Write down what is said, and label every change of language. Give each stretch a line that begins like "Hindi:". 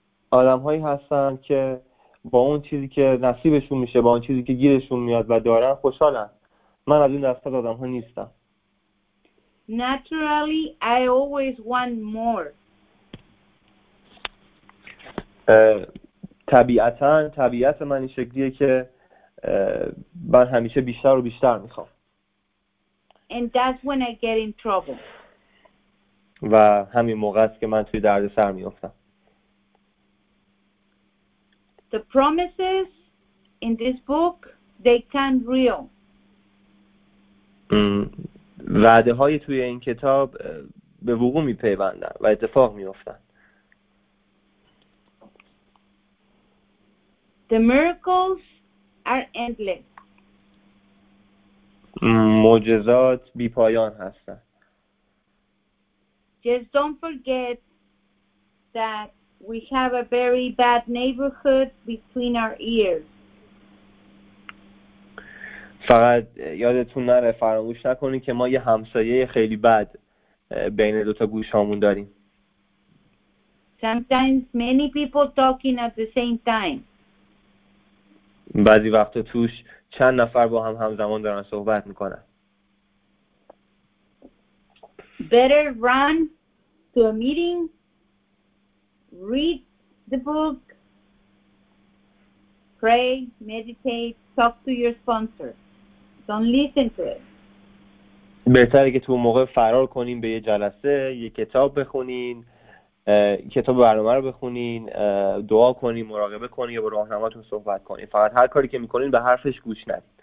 Persian: آدم هایی هستن که با اون چیزی که نصیبشون میشه، با اون چیزی که گیرشون میاد و دارن خوشحالن. من از این دسته آدم ها نیستم.
English: Naturally, I always want more.
Persian: طبیعت من این شکلیه که من همیشه بیشتر و بیشتر میخوام.
English: And that's when I get in trouble.
Persian: و همین موقع است که من توی درد سر میفتم.
English: The promises in this book, they can't real.
Persian: وعده های توی این کتاب به وقوع می پیوندن و اتفاق می افتن.
English: The miracles are endless.
Persian: معجزات بی پایان هستن.
English: Just don't forget that we have a very bad neighborhood between our ears.
Persian: فقط یادتون نره، فراموش نکنید که ما یه همسایه خیلی بد بین دوتا گوشامون داریم.
English: Sometimes many people talking at the same time.
Persian: بعضی وقتا توش چند نفر با هم همزمان دارن صحبت میکنن.
English: Better run to a meeting. Read the book. Pray, meditate, talk to your sponsor. Don't listen to it.
Persian: بهتره که تو موقع فرار کنین، به یه جلسه، یه کتاب بخونین، کتاب برنامه رو بخونین، دعا کنین، مراقبه کنین یا با راهنماتون صحبت کنین. فقط هر کاری که میکنین به حرفش گوش ندین.